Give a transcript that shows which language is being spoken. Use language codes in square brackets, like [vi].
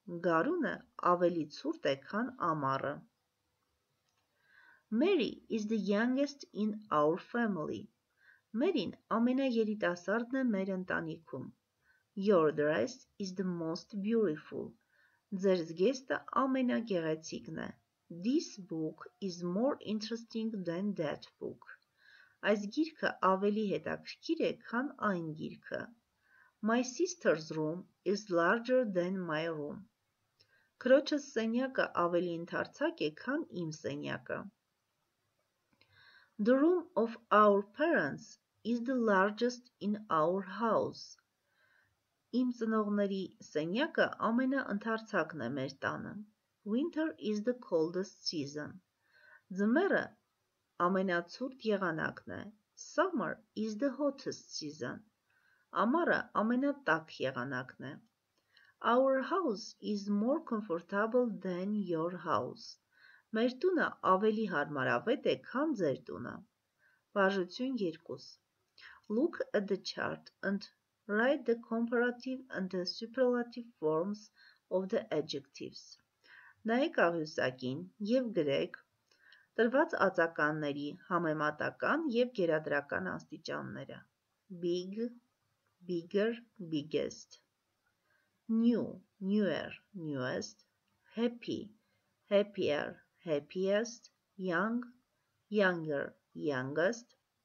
[hy] Գարունը ավելի ցուրտ է, քան ամառը. [en] Mary is the youngest in our family. [hy] Մերին ամենաերիտասարդն է մեր ընտանիքում. [en] Your dress is the most beautiful. [hy] Ձեր զգեստը ամենագեղեցիկն է. [en] This book is more interesting than that book. [hy] Այս գիրքը ավելի հետաքրքիր է, քան այն գիրքը. [en] My sister's room is larger than my room. [hy] Քրոջս սենյակը ավելի ընդարձակ է, քան իմ սենյակը. [en] The room of our parents is the largest in our house. [hy] Իմ ծնողների սենյակը ամենաընդարձակն է մեր տանը. [en] Winter is the coldest season. [hy] Ձմեռը ամենացուրտ եղանակն է. [en] Summer is the hottest season. [hy] Ամառը ամենատաք եղանակն է. [en] Our house is more comfortable than your house. [hy] Մեր տունը ավելի հարմարավետ է, քան ձեր տունը. Բաժություն 2. [en] Look at the chart and write the comparative and the superlative forms of the adjectives. [hy] Նայեք աղյուսակին և գրեք տրված ածականների համեմատական և գերադրական աստիճանները. [en] Big, bigger, biggest. New, newer, newest. Happy, happier, happiest. Young, younger, youngest.